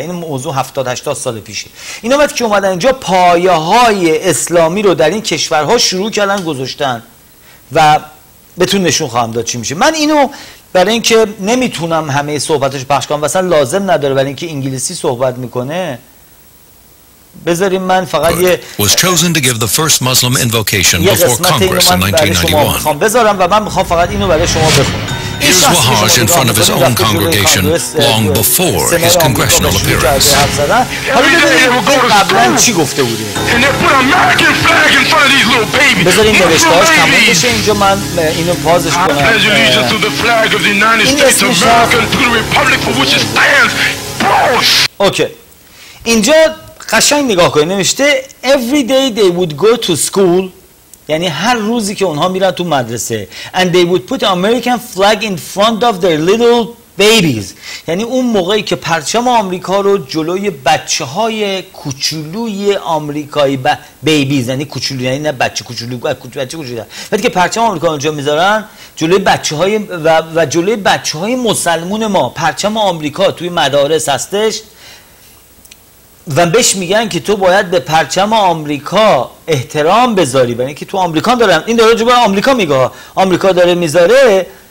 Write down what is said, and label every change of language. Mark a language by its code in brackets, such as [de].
[fa] این موضوع 70-80 سال پیشه. اینا وقتی که اومدن اینجا، پایه های اسلامی رو در این کشورها شروع کردن گذاشتن و بهتون نشون خواهم داد چی میشه. من اینو برای اینکه نمیتونم همه صحبتش پخش کنم، مثلا لازم نداره، برای اینکه انگلیسی صحبت میکنه [en] Good. Was chosen to give the first Muslim invocation before Congress in 1991. Here's Wahaj in front of his own congregation long before his congressional appearance. Every day they would go to school, and they put an American flag in front of these little babies. These little babies. I pledge allegiance to the flag of the United States of America and to the republic for which it stands. Bosh! [fa] Okay. اینجا قشنگ نگاه کنید. نوشته [en] Every day they would go to school. [fa] یعنی هر روزی که اونها میرن تو مدرسه [en] and they would put an American flag in front of their little babies. [fa] یعنی اون موقعی که پرچم آمریکا رو جلوی بچه های کوچولوی آمریکایی بیبیز یعنی کوچولو یعنی نه بچه کوچولو بچه کوچولو وقتی که پرچم آمریکا رو اونجا میذارن جلوی بچه های و جلوی بچه های مسلمون ما پرچم آمریکا توی مدارس هستش و بهش میگن که تو باید به پرچم آمریکا احترام بذاری برای اینکه تو آمریکا دارن این داره جبه آمریکا میگه آمریکا داره میذاره